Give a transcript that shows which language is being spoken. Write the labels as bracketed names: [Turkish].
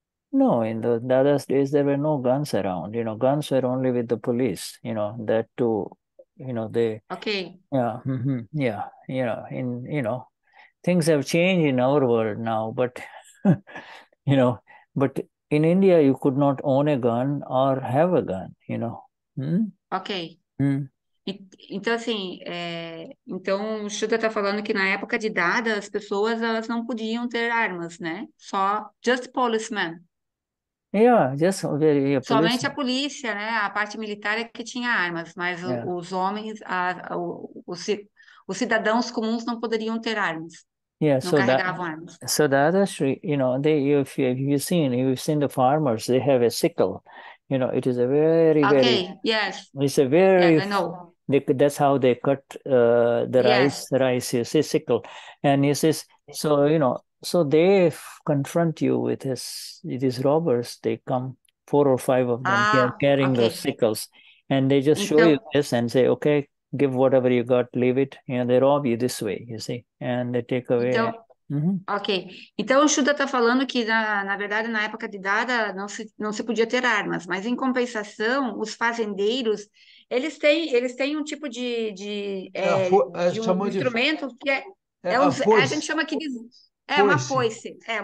[English] No, in the Dada's days, there were no guns around. You know, guns were only with the police, you know, that too, you know, they... Okay. Yeah, yeah, you know, in, you know, things have changed in our world now, but, you know, but in India, you could not own a gun or have a gun, you know. Ok. [Portuguese] Então, assim, então o Shuddha está falando que na época de Dada, as pessoas elas não podiam ter armas, né? [English] Só, just policemen. Yeah, just very [Portuguese] somente a polícia, né? A parte militar é que tinha armas, mas os homens, os cidadãos comuns não poderiam ter armas. [English] Yeah, [Portuguese] não [English] so [Portuguese] carregavam armas. [English] So Dada's, you know, if you've seen the farmers, they have a sickle. You know, it is a very, very... Okay, yes. It's a very... Yes, I know. That's how they cut the rice, you see, sickle. And he says, so, you know, so they confront you with these robbers. They come, four or five of them, carrying those sickles. And they just show you this and say, okay, give whatever you got, leave it. You know, they rob you this way, you see. And they take away... [Portuguese] Ok, então o Shuddha está falando que na verdade na época de Dada não se podia ter armas, mas em compensação os fazendeiros eles têm um tipo de instrumento que a gente chama aqui de uma foice.